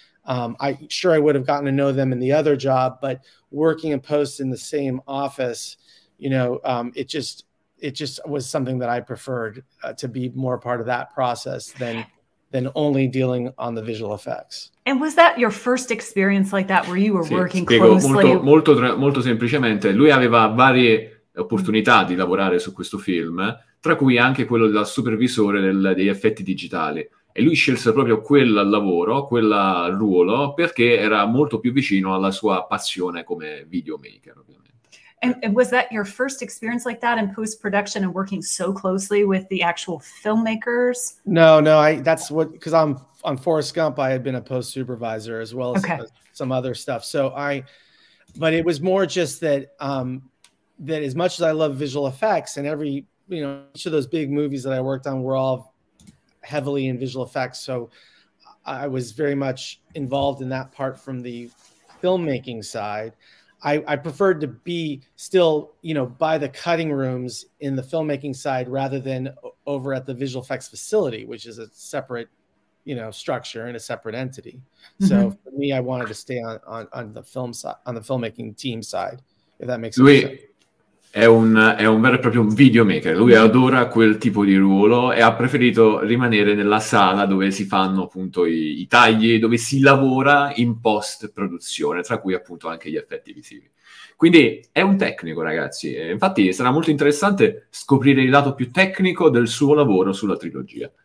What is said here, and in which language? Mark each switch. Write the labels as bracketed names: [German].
[English] I would have gotten to know them in the other job, but working in post in the same office, you know, it just was something that I preferred to be more part of that process than only dealing on the visual effects. And was that your first experience like that, where you were working closely? [Italian] Molto, molto, molto semplicemente, lui aveva varie opportunità di lavorare su questo film, tra cui anche quello del supervisore degli effetti digitali. E lui scelse proprio quel lavoro, quel ruolo, perché era molto più vicino alla sua passione come videomaker, ovviamente. [English] And was that your first experience like that in post-production and working so closely with the actual filmmakers? No, because I'm on Forrest Gump, I had been a post-supervisor as well as some other stuff. But it was more just that that as much as I love visual effects and every, you know, each of those big movies that I worked on were all heavily in visual effects. So I was very much involved in that part from the filmmaking side. I preferred to be still, you know, by the cutting rooms in the filmmaking side rather than over at the visual effects facility, which is a separate, you know, structure and a separate entity. So for me, I wanted to stay on the film side, on the filmmaking team side, if that makes sense. [Italian] È un vero e proprio videomaker. Lui adora quel tipo di ruolo e ha preferito rimanere nella sala dove si fanno appunto i tagli, dove si lavora in post-produzione, tra cui appunto anche gli effetti visivi. Quindi è un tecnico, ragazzi. Infatti sarà molto interessante scoprire il lato più tecnico del suo lavoro sulla trilogia.